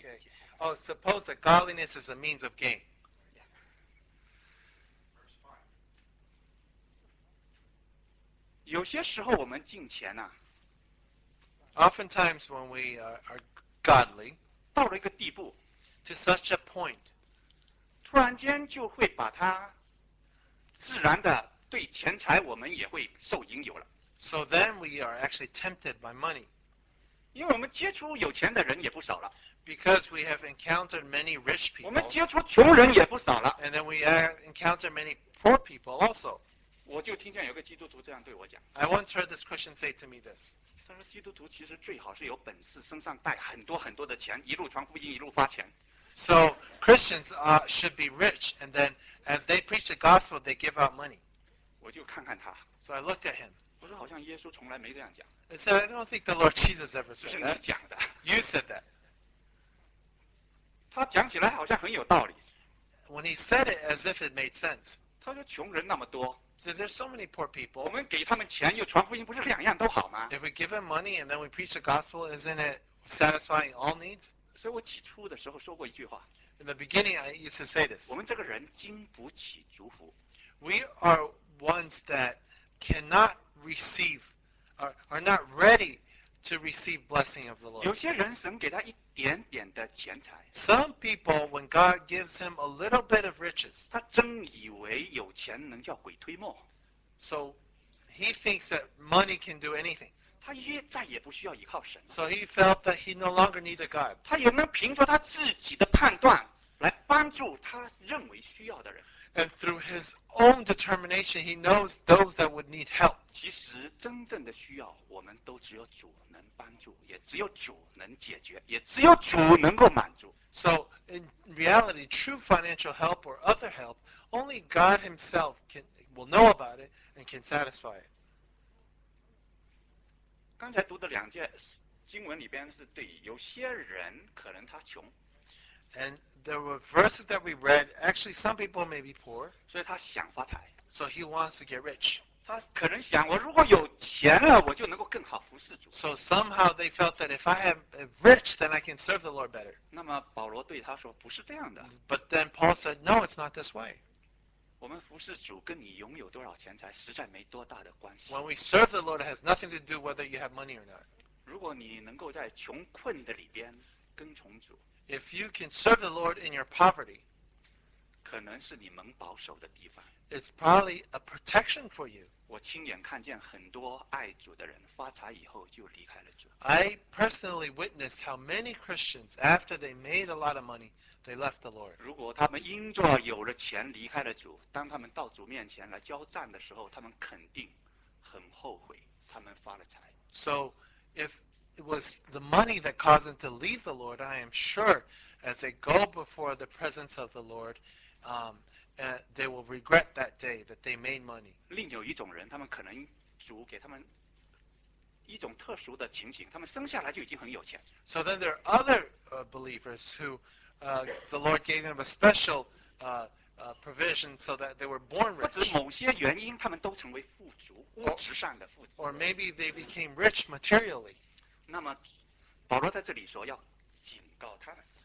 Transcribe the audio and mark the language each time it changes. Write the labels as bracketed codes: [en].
[en] Okay. Oh, suppose that godliness is a means of gain. Yeah. Verse 5. [zh] 有些时候我们敬虔呐。 [en] Oftentimes when we are godly, [zh] 到了一个地步 [en] to such a point, [zh] 突然间就会把它自然的。对钱财我们也会受引诱了。 [en] So then we are actually tempted by money. [zh] 因为我们接触有钱的人也不少了。 [en] Because we have encountered many rich people. [zh] 我们接触穷人也不少了。 [en] And then we encounter many poor people also. [zh] 我就听见有个基督徒这样对我讲。 [en] I once heard this Christian say to me this. [zh] 他说基督徒其实最好是有本事身上带很多很多的钱，一路传福音一路发钱。 [en] So Christians should be rich, and then as they preach the gospel, they give out money. [zh] 我就看看他。 [en] So I looked at him. [zh] 我说好像耶稣从来没这样讲。 [en] I said, I don't think the Lord Jesus ever said that. [zh] 这是你讲的。 [en] You said that. [zh] 他讲起来好像很有道理。 [en] When he said it, as if it made sense. [zh] 他说穷人那么多。 [en] So there's so many poor people. [zh] 我们给他们钱又传福音，不是两样都好吗？ [en] If we give them money and then we preach the gospel, isn't it satisfying all needs? [zh] 所以我起初的时候说过一句话。 [en] In the beginning, I used to say this. [zh] 我们这个人经不起祝福。 [en] We are ones that cannot receive, are not ready to receive blessing of the Lord. [zh] 有些人神给他一点点的钱财。 [en] Some people, when God gives him a little bit of riches, [zh] 他真以为有钱能叫鬼推磨。 [en] So he thinks that money can do anything. [zh] 他越再也不需要依靠神。 [en] So he felt that he no longer needed God. [zh] 他也能凭着他自己的判断来帮助他认为需要的人。 [en] And through his own determination, he knows those that would need help. [zh] 其实真正的需要，我们都只有主能帮助，也只有主能解决，也只有主能够满足。 [en] So in reality, true financial help or other help, only God himself will know about it and can satisfy it. [zh] 刚才读的两节经文里边是对有些人可能他穷。 [en] And there were verses that we read. Actually, some people may be poor. [zh] 所以他想发财。 [en] So he wants to get rich. [zh] 他可能想，我如果有钱了，我就能够更好服侍主。 [en] So somehow they felt that if I am rich, then I can serve the Lord better. [zh] 那么保罗对他说，不是这样的。 [en] But then Paul said, no, it's not this way. [zh] 我们服侍主跟你拥有多少钱财实在没多大的关系。 [en] When we serve the Lord, it has nothing to do whether you have money or not. [zh] 如果你能够在穷困的里边跟从主。 [en] If you can serve the Lord in your poverty, [zh] 可能是你蒙保守的地方。 [en] It's probably a protection for you. [zh] 我亲眼看见很多爱主的人发财以后就离开了主。 [en] I personally witnessed how many Christians, after they made a lot of money, they left the Lord. [zh] 如果他们因着有了钱离开了主，当他们到主面前来交账的时候，他们肯定很后悔他们发了财。 [en] So, if it was the money that caused them to leave the Lord, I am sure, as they go before the presence of the Lord, they will regret that day that they made money. [zh] 另有一种人，他们可能主给他们一种特殊的情形，他们生下来就已经很有钱。 [en] So then there are other believers who the Lord gave them a special provision so that they were born rich. [zh] 或者某些原因，他们都成为富足，物质上的富足。 [en] Or maybe they became rich materially. [zh] 那么保罗在这里说要警告他们。